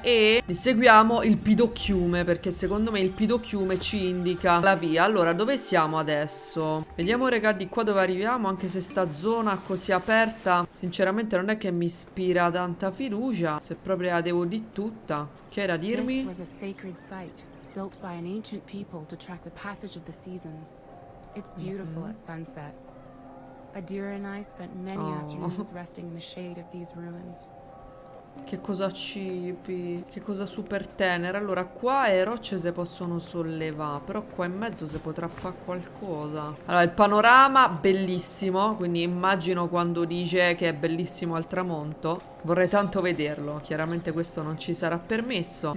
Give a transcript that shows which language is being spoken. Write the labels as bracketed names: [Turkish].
[Italian] E seguiamo il pidocchiume, perché secondo me il pidocchiume ci indica la via. Allora, dove siamo adesso? Vediamo raga di qua dove arriviamo. Anche se sta zona così aperta sinceramente non è che mi ispira tanta fiducia. Se proprio la devo di tutta. Che era dirmi? [English] Built by an ancient people to track the passage of the seasons. It's beautiful at sunset. Adira and I spent many afternoons resting in the shade of these ruins. [Italian] Che cosa cipi. Che cosa super tenera. Allora qua le rocce si possono sollevare, però qua in mezzo si potrà fare qualcosa. Allora il panorama bellissimo, quindi immagino quando dice che è bellissimo al tramonto. Vorrei tanto vederlo. Chiaramente questo non ci sarà permesso.